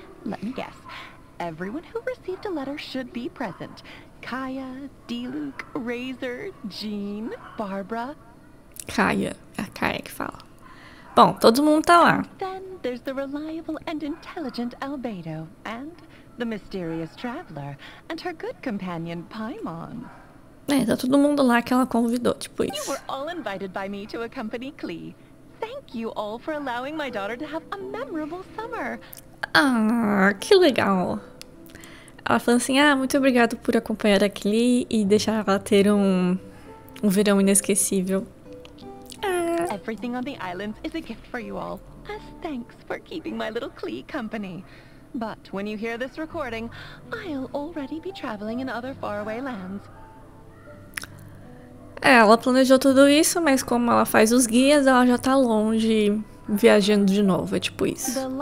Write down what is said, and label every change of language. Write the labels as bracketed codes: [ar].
[en] Let me guess. Everyone who received a letter should be present. Kaia, Diluc, Razor, Jean, Barbara. [pt] Kaia. É a Kaia que fala. Bom, todo mundo tá lá. [en] And then there's the reliable and intelligent Albedo. And the mysterious traveler. And her good companion, Paimon. [pt] É, tá todo mundo lá que ela convidou, tipo isso. [en] You were all invited by me to accompany Klee. Thank you all for allowing my daughter to have a memorable summer. [pt] Ah, que legal. Ela falou assim, ah, muito obrigado por acompanhar a Klee e deixar ela ter um verão inesquecível. Ah. [en] Everything on the islands is a gift for you all. As thanks for keeping my little Klee company. But when you hear this recording, I'll already be traveling in other faraway lands. [pt] É, ela planejou tudo isso, mas como ela faz os guias, ela já tá longe, viajando de novo, é tipo isso.